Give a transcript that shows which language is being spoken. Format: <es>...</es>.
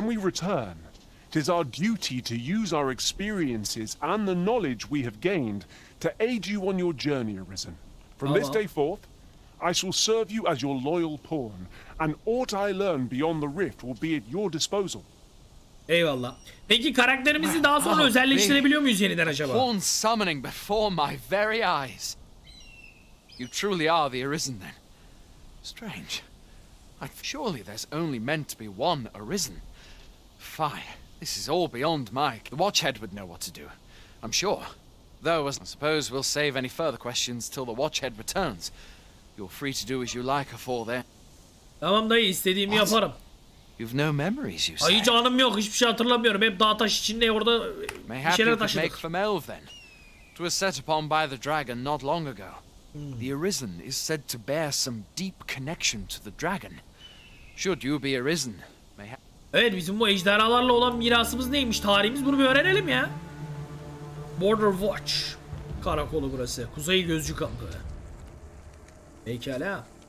<en>When we return, it is our duty to use our experiences and the knowledge we have gained to aid you on your journey, Arisen. From this day forth, I shall serve you as your loyal pawn, and aught I learn beyond the rift will be at your disposal.</en> <tr>Eyvallah. Peki karakterimizi daha sonra özelleştirebiliyor muyuz yeniden acaba?</tr> <en>Pawn summoning before my very eyes. You truly are the Arisen then. Strange. Surely there's only meant to be one Arisen. Fire. This is all beyond Mike. The Watchhead would know what to do, I'm sure. Though, I suppose we'll save any further questions till the Watchhead returns. You're free to do as you like afore then.</en> <tr>Tamam dayı, istediğimi yaparım.</tr> <en>You've no memories, you say.</en> <tr>Hayır, hiç anım yok, hiçbir şey hatırlamıyorum. Hep dağ taş içinde, orada</tr> <en>mayhap</en> <tr>bir şeyler taşıdık.</tr> <en>Make for Melv then. It was set upon by the dragon not long ago. The Arisen is said to bear some deep connection to the dragon. Should you be Arisen, mayhap.</en> <tr>Evet, bizim bu ejderhalarla olan mirasımız neymiş, tarihimiz, bunu bir öğrenelim ya. Border Watch. Karakolu burası. Kuzey Gözcü Kampı. Pekala.</tr>